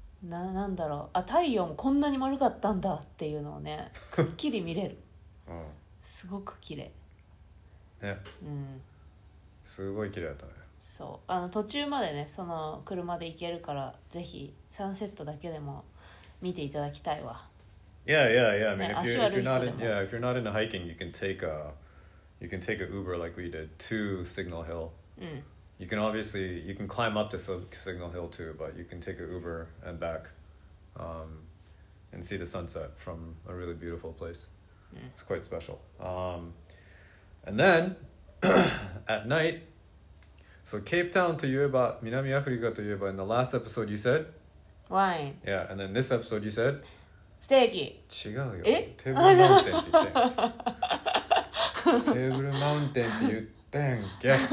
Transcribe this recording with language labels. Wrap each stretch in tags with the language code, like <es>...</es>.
<ja>なんだろう。あ、太陽こんなに丸かったんだっていうのをね、くっきり見れる。すごく綺麗。ね。うん。すごい綺麗だったね。そう、あの途中までね、その車で行けるから、ぜひサンセットだけでも見ていただきたいわ。</ja> <en>Yeah, yeah, yeah. I mean,、ね、if, you're, if, you're not in, yeah, if you're not into hiking, you can take a Uber like we did to Signal Hill. You can obviously, you can climb up to Signal Hill too, but you can take a Uber and back、and see the sunset from a really beautiful place. It's quite special. And then... at night, so Cape Town to Yoruba,</en> <ja>南アフリカと言えば</ja> <en>in the last episode you said wine. Yeah, and then this episode you said stage.</en> <ja>違うよ。え？テーブルマウンテンって言ってん。テーブルマウンテンって言ってんけ。</ja>